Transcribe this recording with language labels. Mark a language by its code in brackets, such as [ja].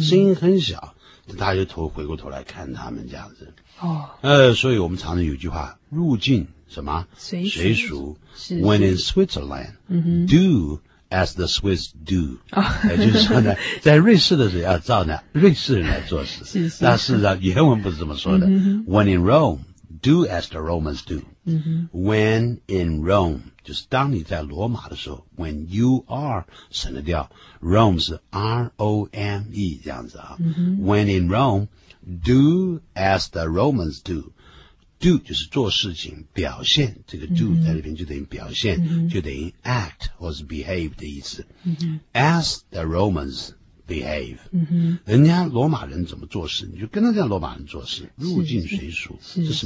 [zh] 声音很小，大家就回过头来看他们这样子。哦。所以我们常常有句话，入境什么？随俗。 [en] When in Switzerland,、嗯、 do. As the Swiss do，、 oh, [zh] 也就是说呢，在瑞士的时候要照呢瑞士人来做事。是是。那事实上原文不是这么说的。 Mm-hmm. [en] When in Rome, do as the Romans do.、 Mm-hmm. When in Rome， [zh] 就是当你在罗马的时候 ， [en] when you are [zh] 省得掉 ，Rome 是 R O M E 这样子啊。 Mm-hmm. [en] When in Rome, do as the Romans do。 [zh] Do 就是做事情表现，这个 do 在这边就等于表现、 mm-hmm. 就等于 act 或是 behave 的意思、 mm-hmm. [en] As the Romans behave、 mm-hmm. [zh] 人家罗马人怎么做事你就跟着这样罗马人做事，入境随俗，这是